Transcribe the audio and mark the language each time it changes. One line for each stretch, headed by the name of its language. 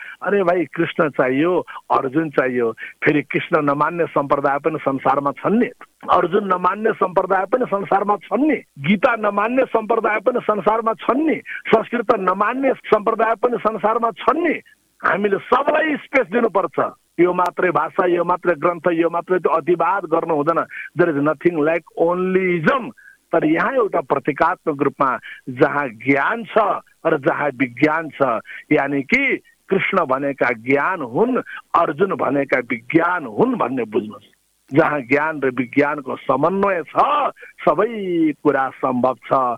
Nepali: अरे भाइ कृष्ण चाहियो अर्जुन चाहियो, फेरि कृष्ण नमान्ने सम्प्रदाय पनि संसारमा छन् नि, अर्जुन नमान्ने सम्प्रदाय पनि संसारमा छन् नि, गीता नमान्ने सम्प्रदाय पनि संसारमा छन् नि, संस्कृत नमान्ने सम्प्रदाय पनि संसारमा छन् नि। हामीले सबलाई स्पेस दिनुपर्छ। यो मात्रै भाषा, यो मात्रै ग्रन्थ, यो मात्रै अतिवाद गर्नु हुँदैन।
English: There is nothing like onlyism.
Nepali: तर यहाँ एउटा प्रतीकात्मक रूपमा जहाँ ज्ञान छ र जहाँ विज्ञान छ, यानि कि कृष्ण भनेका ज्ञान हुन्, अर्जुन भनेका विज्ञान हुन् भन्ने बुझ्नुहोस्। जहाँ ज्ञान र विज्ञानको समन्वय छ सबै कुरा सम्भव छ।